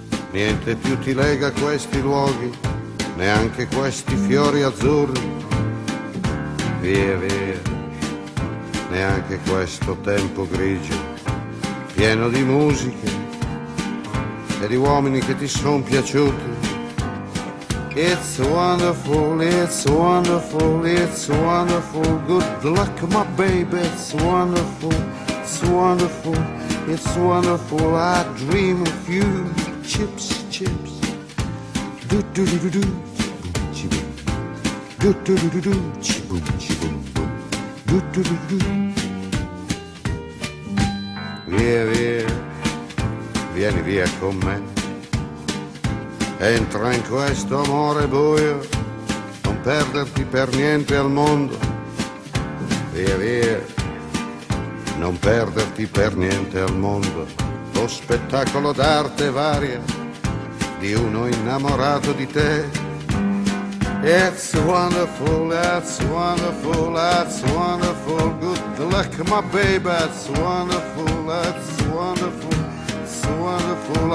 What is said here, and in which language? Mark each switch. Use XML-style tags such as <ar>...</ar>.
<it>Niente più ti lega questi luoghi, neanche questi fiori azzurri. Via, via, neanche questo tempo grigio, pieno di musiche e di uomini che ti sono piaciuti.</it> <en>It's wonderful, it's wonderful, it's wonderful. Good luck, my baby, it's wonderful, it's wonderful, it's wonderful. I dream of you, chips, chips. Do do do do do, chibum chibum. Do do do do do, chibum chibum boom. Do do do do do.</en> <it>Via via, vieni via con me. Entra in questo amore buio, non perderti per niente al mondo. Via via, non perderti per niente al mondo. Lo spettacolo d'arte varia di uno innamorato di te.</it> <en>It's wonderful, that's wonderful, that's wonderful. Good luck, my baby, it's wonderful, that's wonderful, it's wonderful.</en>